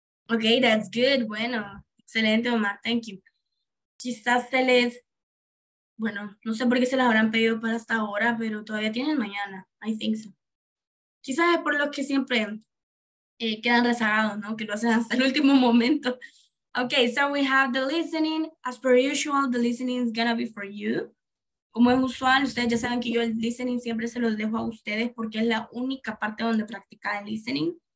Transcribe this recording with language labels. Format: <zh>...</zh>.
<en>Okay, that's good.</en> <es>Bueno, excelente, Omar.</es> <en>Thank you.</en> <es>Quizás se les... Bueno, no sé por qué se las habrán pedido para hasta ahora, pero todavía tienen mañana.</es> <en>I think so.</en> <es>Quizás es por los que siempre quedan rezagados, ¿no? Que lo hacen hasta el último momento.</es> <en>Okay, so we have the listening. As per usual, the listening is gonna be for you.</en> <es>Como es usual, ustedes ya saben que yo el listening siempre se los dejo a ustedes porque es la única parte donde practicar el listening.</es>